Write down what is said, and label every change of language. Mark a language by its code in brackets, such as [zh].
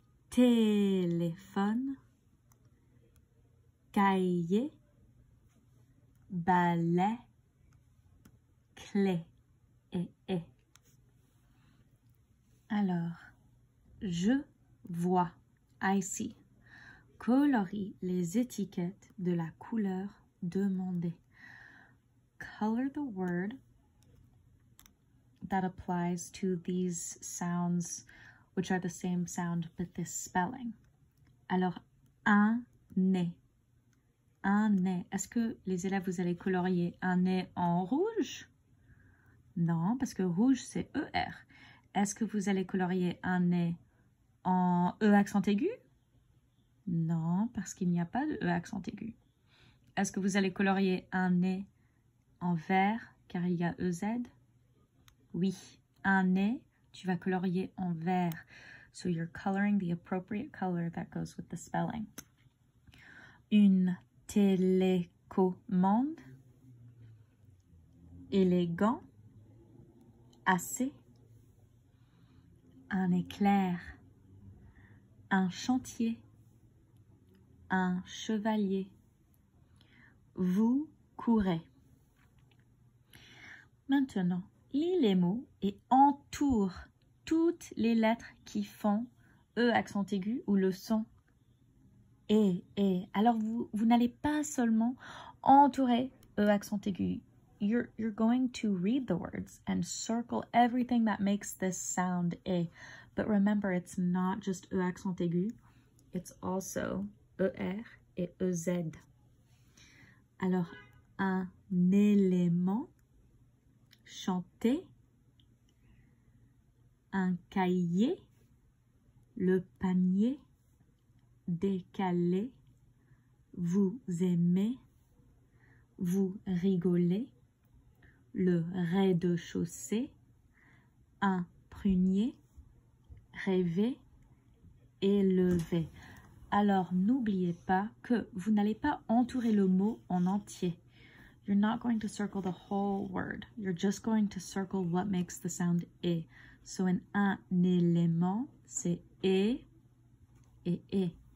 [fr] Téléphone. Cahier, balai, clé, et. Alors, je vois, [en] I see, [fr] colorie les étiquettes de la couleur demandée. [en] Color the word that applies to these sounds, which are the same sound but this spelling. [fr] Alors, un nez. Un nez. Est-ce que les élèves, vous allez colorier un nez en rouge? Non, parce que rouge, c'est ER. Est-ce que vous allez colorier un nez en E accent aigu? Non, parce qu'il n'y a pas de E accent aigu. Est-ce que vous allez colorier un nez en vert, car il y a EZ? Oui, un nez, tu vas colorier en vert. [en] So you're coloring the appropriate color that goes with the spelling. [fr] Une télécommande, élégant, assez, un éclair, un chantier, un chevalier, vous courez. Maintenant, lis les mots et entoure toutes les lettres qui font E accent aigu ou le son. Et, alors vous n'allez pas seulement entourer E accent aigu. [en] You're going to read the words and circle everything that makes this sound E. But remember, it's not just E accent aigu. It's also ER et EZ. [fr] Alors, un élément, chanter, un cahier, le panier, décalé, vous aimez, vous rigolez, le rez-de-chaussée, un prunier, rêver, élever. Alors, n'oubliez pas que vous n'allez pas entourer le mot en entier. [en] You're not going to circle the whole word. You're just going to circle what makes the sound E. So, in [fr] un élément, c'est E et E.